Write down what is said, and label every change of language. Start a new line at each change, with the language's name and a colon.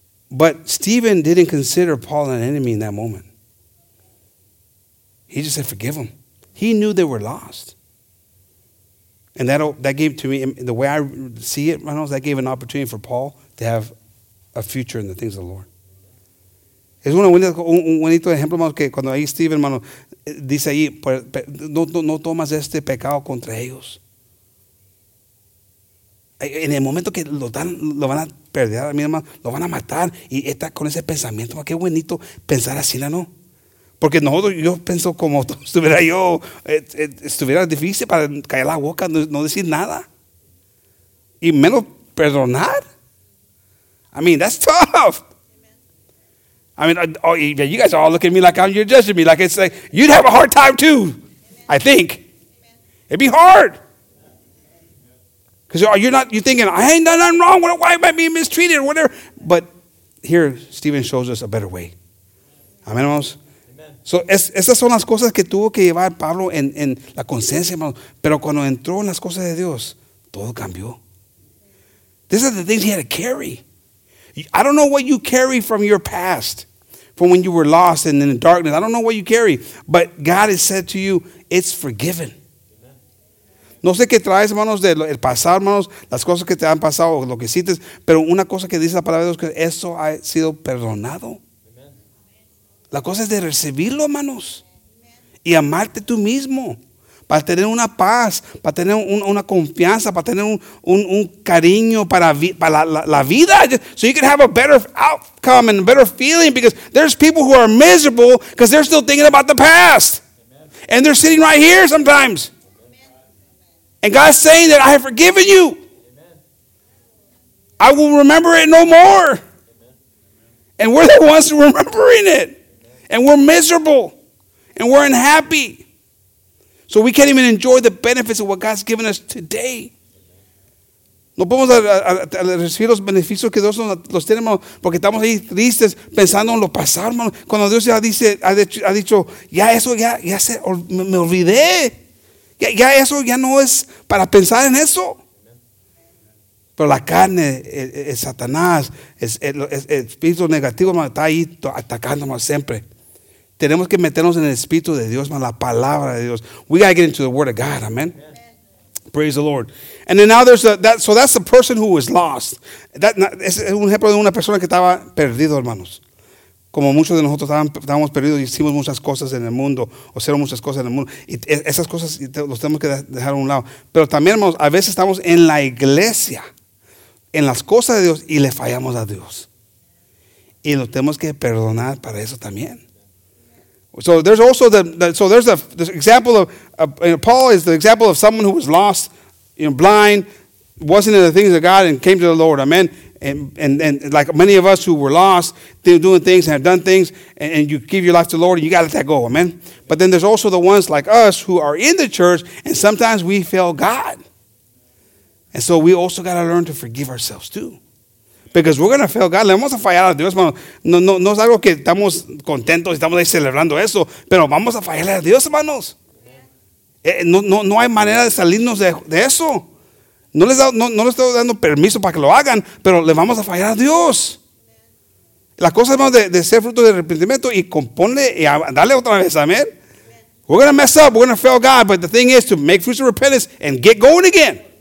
English: But Stephen didn't consider Paul an enemy in that moment. He just said, forgive him. He knew they were lost. And that gave to me, the way I see it, Reynolds, that gave an opportunity for Paul to have a future in the things of the Lord.
Spanish: Es un bonito ejemplo, hermano, que cuando ahí Steve, hermano, dice ahí, no tomas este pecado contra ellos. En el momento que lo van a perder, mi hermano, lo van a matar y está con ese pensamiento. Qué bonito pensar así, ¿no? Porque nosotros, yo pienso como estuviera yo, estuviera difícil para caer la boca, no decir nada. Y menos perdonar.
English: I mean, that's tough. I mean, you guys are all looking at me like you're judging me. Like it's like, you'd have a hard time too, amen. I think. Amen. It'd be hard. Because you're thinking, I ain't done nothing wrong. Why am I being mistreated or whatever? But here, Stephen shows us a better way.
Spanish: Amen, hermanos. So, esas son las cosas que tuvo que llevar Pablo en la conciencia, hermanos. Pero cuando entró en las cosas de Dios, todo cambió.
English: These are the things he had to carry. I don't know what you carry from your past, from when you were lost and in the darkness. I don't know what you carry, but God has said to you, it's forgiven.
Spanish: No sé qué traes, hermanos, del pasado, hermanos, las cosas que te han pasado, lo que sientes, pero una cosa que dice la palabra de Dios, que eso ha sido perdonado. La cosa es de recibirlo, hermanos, y amarte tú mismo. Para tener una paz, para tener una confianza, para tener un cariño para la vida.
English: So you can have a better outcome and a better feeling, because there's people who are miserable because they're still thinking about the past. Amen. And they're sitting right here sometimes. Amen. And God's saying that I have forgiven you. Amen. I will remember it no more. Amen. And we're the ones remembering it. Amen. And we're miserable. And we're unhappy. So we can't even enjoy the benefits of what God's given us today.
Spanish: No podemos recibir los beneficios que Dios nos tiene, hermano, porque estamos ahí tristes pensando en lo pasado, hermano. Cuando Dios ya ha dicho, ya eso, me olvidé. Ya eso ya no es para pensar en eso. Pero la carne, el Satanás, el espíritu negativo, hermano, está ahí atacándonos siempre. Tenemos que meternos en el Espíritu de Dios, man, la palabra de Dios.
English: We got to get into the Word of God, amen. Yes. Praise the Lord. And then now so that's the person who was lost.
Spanish: Es un ejemplo de una persona que estaba perdido, hermanos. Como muchos de nosotros estábamos perdidos y hicimos muchas cosas en el mundo, o hicieron muchas cosas en el mundo. Y esas cosas los tenemos que dejar a un lado. Pero también, hermanos, a veces estamos en la iglesia, en las cosas de Dios, y le fallamos a Dios. Y lo tenemos que perdonar para eso también.
English: So there's also the example of Paul is the example of someone who was lost, blind, wasn't in the things of God and came to the Lord. Amen. And like many of us who were lost, doing things and have done things, and you give your life to the Lord and you got to let that go. Amen. But then there's also the ones like us who are in the church, and sometimes we fail God. And so we also got to learn to forgive ourselves too. Because we're going to fail God.
Spanish: Le vamos a fallar a Dios, hermano. No es algo que estamos contentos y estamos ahí celebrando eso. Pero vamos a fallarle a Dios, hermanos. No hay manera de salirnos de eso. No les estoy dando permiso para que lo hagan. Pero le vamos a fallar a Dios. La cosa, hermano, de ser fruto de arrepentimiento y componle y darle otra vez. Amén.
English: We're going to mess up. We're going to fail God. But the thing is to make fruits of repentance and get going again.